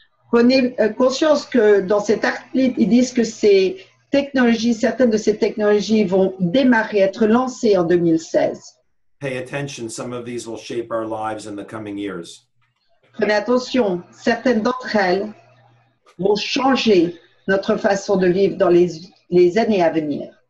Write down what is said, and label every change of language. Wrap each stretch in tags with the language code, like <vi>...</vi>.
<fr>Prenez conscience que dans cet article, ils disent que ces technologies, certaines de ces technologies vont démarrer, être lancées en 2016.</fr> <en>Pay attention, some of these will shape our lives in the coming years.</en> <fr>Prenez attention, certaines d'entre elles vont changer notre façon de vivre dans les années à venir.</fr>